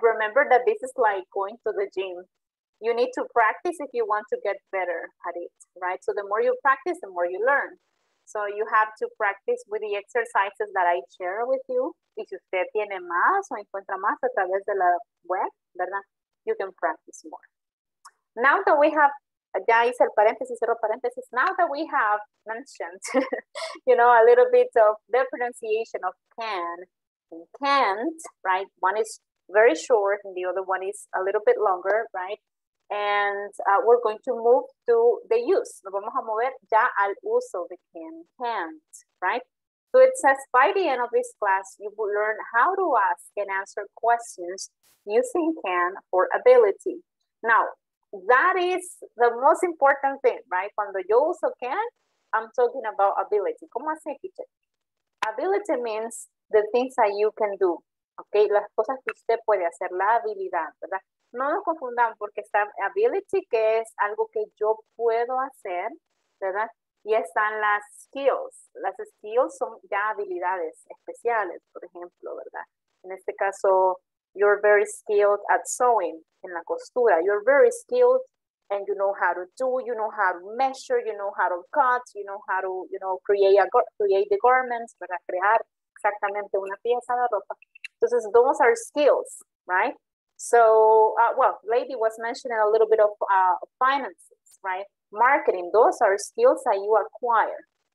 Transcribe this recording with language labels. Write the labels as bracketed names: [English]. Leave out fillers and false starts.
[English] Remember that this is like going to the gym. You need to practice if you want to get better at it, right? So the more you practice, the more you learn. So you have to practice with the exercises that I share with you. [Spanish] Y si usted tiene más o encuentra más a través de la web, ¿verdad? [English] You can practice more. Now that we have... [Spanish] Ya hice el paréntesis, cerro paréntesis. [English] Now that we have mentioned, you know, a little bit of the pronunciation of can and can't, right? One is very short and the other one is a little bit longer, right? And we're going to move to the use. [Spanish] Nos vamos a mover ya al uso de can, can't, [English] right? So it says, by the end of this class, you will learn how to ask and answer questions using can for ability. Now, that is the most important thing, right? [Spanish] Cuando yo uso can, [English] I'm talking about ability. [Spanish] ¿Cómo hace, teacher? [English] Ability means the things that you can do, okay? [Spanish] Las cosas que usted puede hacer, la habilidad, ¿verdad? No nos confundan porque está ability, que es algo que yo puedo hacer, ¿verdad? Y están las skills. Las skills son ya habilidades especiales, por ejemplo, ¿verdad? En este caso... [English] You're very skilled at sewing, [Spanish] en la costura. [English] You're very skilled and you know how to do, you know how to measure, you know how to cut, you know how to, you know, create the garments, [Spanish] para crear exactamente una pieza de ropa. [English] Entonces, those are skills, right? So, well, lady was mentioning a little bit of finances, right? Marketing, those are skills that you acquire.